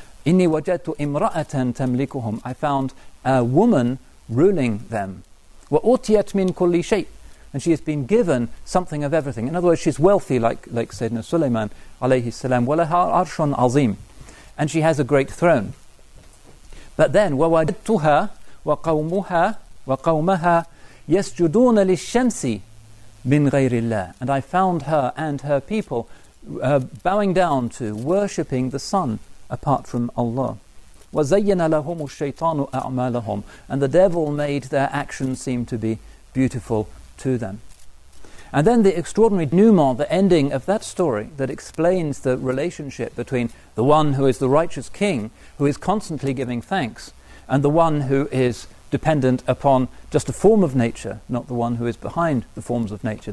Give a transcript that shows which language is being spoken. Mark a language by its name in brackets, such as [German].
[Arabic] إِنِّي وَجَدْتُ إِمْرَأَةً تَمْلِكُهُمْ. [English] I found a woman ruling them. [Arabic] وَأُوتِيَتْ مِنْ كُلِّ شَيْءٍ. [English] And she has been given something of everything. In other words, she's wealthy like Sayyidina Suleiman alayhi salam. [Arabic] وَلَهَا عَرْشٌ عَظِيمٌ. [English] And she has a great throne. But then, [Arabic] وَوَجَدْتُهَا وَقَوْمُهَا وَقَوْمَهَا يَسْجُدُونَ لِلشَّمْسِ مِنْ غَيْرِ اللَّهِ. [English] And I found her and her people bowing down to, worshipping the sun apart from Allah. [Arabic] وَزَيَّنَ لَهُمُ الشَّيْطَانُ أَعْمَالَهُمْ. [English] And the devil made their actions seem to be beautiful to them. And then the extraordinary denouement, the ending of that story that explains the relationship between the one who is the righteous king, who is constantly giving thanks, and the one who is dependent upon just a form of nature, not the one who is behind the forms of nature.